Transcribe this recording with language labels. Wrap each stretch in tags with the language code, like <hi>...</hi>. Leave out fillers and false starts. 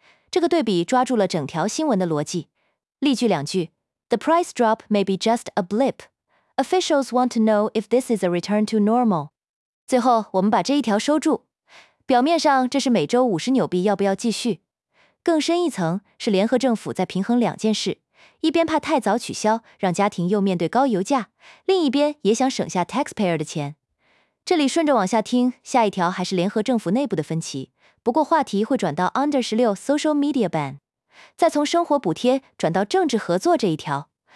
<zh>这个对比抓住了整条新闻的逻辑。例句两句，</zh> <en>The price drop may be just a blip. Officials want to know if this is a return to normal.</en> <zh>最后，我们把这一条收住。表面上，这是每周五十纽币要不要继续。更深一层，是联合政府在平衡两件事，一边怕太早取消，让家庭又面对高油价，另一边也想省下 taxpayer 的钱。这里顺着往下听，下一条还是联合政府内部的分歧，不过话题会转到 Under 16 Social Media Ban， 再从生活补贴转到政治合作这一条。</zh>